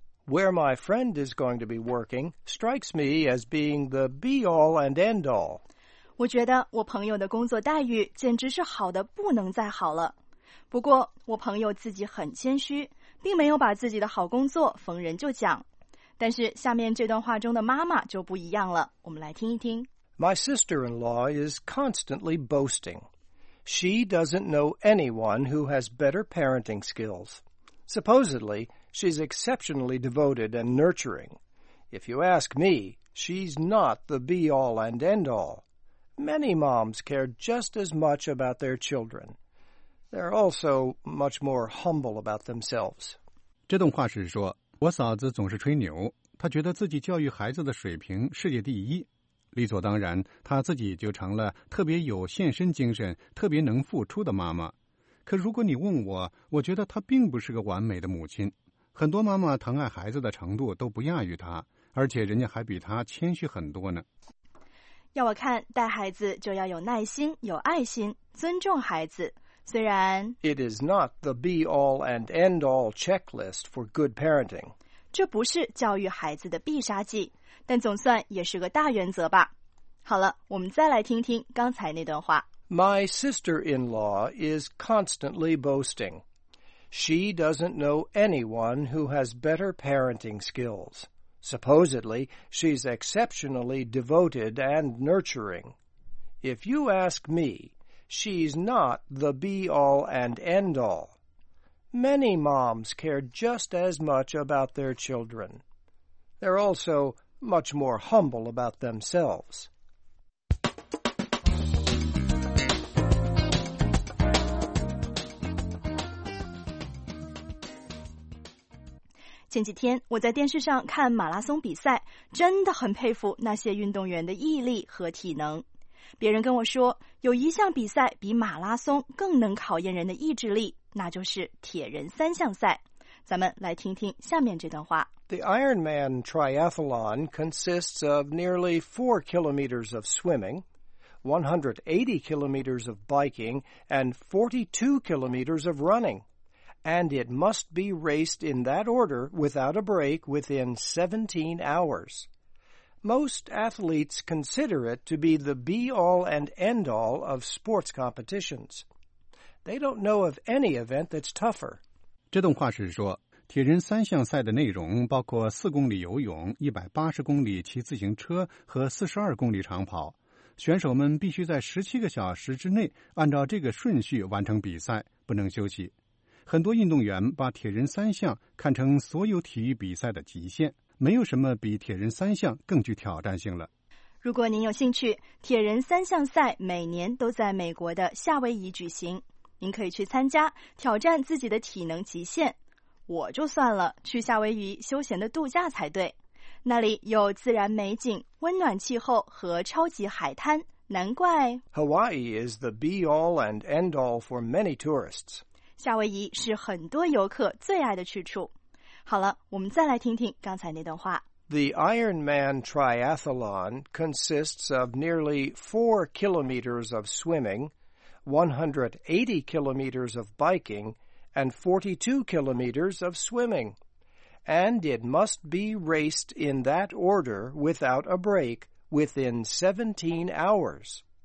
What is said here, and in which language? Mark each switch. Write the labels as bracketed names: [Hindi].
[English] Where my friend is going to be working strikes me as being the be all and end all [Chinese] 我觉得我朋友的工作待遇简直是好的不能再好了。不过我朋友自己很谦虚，并没有把自己的好工作逢人就讲。但是下面这段话中的妈妈就不一样了，我们来听一听。 [English] My sister-in-law is constantly boasting. She doesn't know anyone who has better parenting skills. Supposedly, she's exceptionally devoted and nurturing. If you ask me, she's not the be-all and end-all. Many moms care just as much about their children. They're also much more humble about themselves. [Chinese] 这段话是说，我嫂子总是吹牛，她觉得自己教育孩子的水平世界第一，理所当然，她自己就成了特别有献身精神、特别能付出的妈妈。可如果你问我，我觉得她并不是个完美的母亲。很多妈妈疼爱孩子的程度都不亚于她，而且人家还比她谦虚很多呢。要我看，带孩子就要有耐心、有爱心、尊重孩子。虽然 [English] It is not the be-all and end-all checklist for good parenting. [Chinese] 这不是教育孩子的必杀技，但总算也是个大原则吧。好了，我们再来听听刚才那段话。 [English] My sister-in-law is constantly boasting. She doesn't know anyone who has better parenting skills. Supposedly, she's exceptionally devoted and nurturing. If you ask me, she's not the be-all and end-all. Many moms care just as much about their children. They're also much more humble about themselves. [Chinese] 前几天我在电视上看马拉松比赛，真的很佩服那些运动员的毅力和体能。别人跟我说，有一项比赛比马拉松更能考验人的意志力，那就是铁人三项赛。咱们来听听下面这段话。 [English] The Ironman Triathlon consists of nearly 4 kilometers of swimming, 180 kilometers of biking, and 42 kilometers of running. And it must be raced in that order without a break within 17 hours. Most athletes consider it to be the be-all and end-all of sports competitions. They don't know of any event that's tougher. [Chinese] 这段话是说，铁人三项赛的内容包括4公里游泳、180公里骑自行车和42公里长跑。选手们必须在17个小时之内按照这个顺序完成比赛，不能休息。很多运动员把铁人三项看成所有体育比赛的极限，没有什么比铁人三项更具挑战性了。如果您有兴趣，铁人三项赛每年都在美国的夏威夷举行，您可以去参加，挑战自己的体能极限。我就算了，去夏威夷休闲的度假才对，那里有自然美景、温暖气候和超级海滩，难怪 [English] Hawaii is the be-all and end-all for many tourists。 [Chinese] 夏威夷是很多游客最爱的去处。好了，我们再来听听刚才那段话。 [English] The Ironman Triathlon consists of nearly 4 kilometers of swimming, 180 kilometers of biking, and 42 kilometers of swimming. And it must be raced in that order without a break within 17 hours.